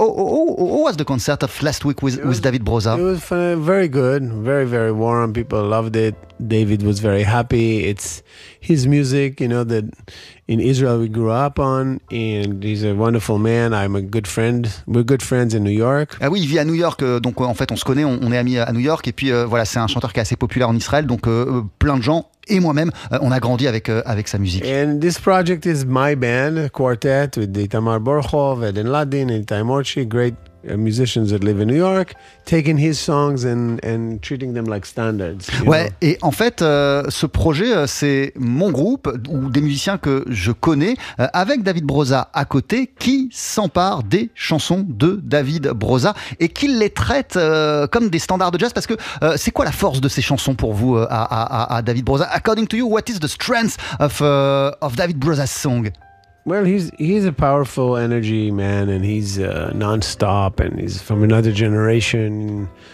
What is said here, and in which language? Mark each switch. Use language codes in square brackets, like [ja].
[en] How was the concert of last week with David Broza? It was very good, very, very warm. People loved it. David was very happy. It's his music, you know, that in Israel we grew up on, and he's a wonderful man. I'm a good friend. We're good friends in New York. [fr] Ah oui, il vit à New York, donc en fait on se connaît, on est amis à New York, et puis voilà, c'est un chanteur qui est assez populaire en Israël, donc plein de gens et moi-même, on a grandi avec sa musique. [en] And this project is my band, quartet, with Itamar Borchov, Eden Ladin, and Itay Morchi, great musicians that live in New York, taking his songs and treating them like standards. Ouais, know? [fr] Et en fait, ce projet, c'est mon groupe, ou des musiciens que je connais, avec David Broza à côté, qui s'emparent des chansons de David Broza et qui les traitent comme des standards de jazz. Parce que c'est quoi la force de ces chansons pour vous, à David Broza? [en] According to you, what is the strength of David Broza's song? Well, he's a powerful energy man, and he's nonstop, and he's from another generation.